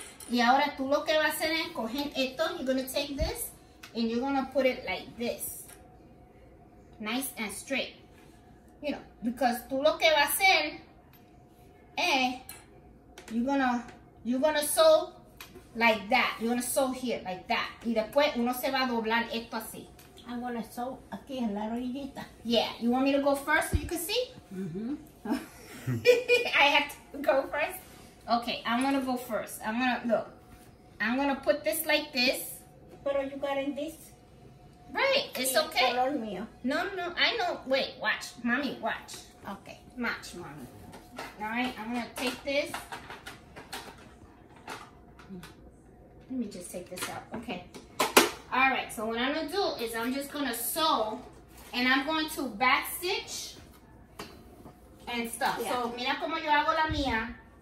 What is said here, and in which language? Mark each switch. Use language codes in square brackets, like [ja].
[es] Y ahora tú lo que vas a hacer es coger esto. [en] You're going to take this, and you're going to put it like this. Nice and straight. You know, because [es] tú lo que vas a hacer es, [en] You're gonna sew like that. You're gonna sew here like that. [es] Y después uno se va a doblar esto así. [en] I'm gonna sew [es] aquí en la rodillita. [en] Yeah. You want me to go first so you can see? Mm-hmm. I have to go first. Okay. I'm gonna go first. I'm gonna look. I'm gonna put this like this. Pero you got in this. Right. It's sí, okay. [es] Color mío. [en] No. I know. Wait. Watch, mommy. Watch. Okay. Watch, mommy. All right. I'm gonna take this. Let me just take this out. Okay. All right. So what I'm going to do is I'm just going to sew and I'm going to back stitch and stuff. Yeah. So [es] mira como yo hago la mía.